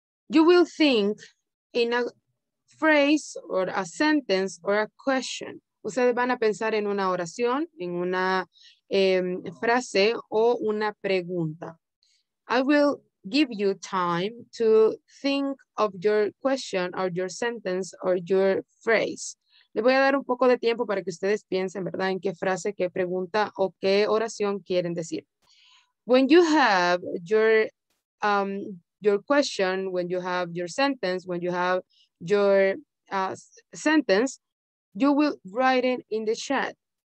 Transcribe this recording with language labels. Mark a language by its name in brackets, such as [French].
[English] You will think in a phrase or a sentence or a question. [Spanish] Ustedes van a pensar en una oración, en una frase o una pregunta. [English] I will give you time to think of your question or your sentence or your phrase. [Spanish] Les voy a dar un poco de tiempo para que ustedes piensen, ¿verdad?, en qué frase, qué pregunta o qué oración quieren decir. [English] When you have your question, when you have your sentence, when you have your sentence, you will write it in the chat.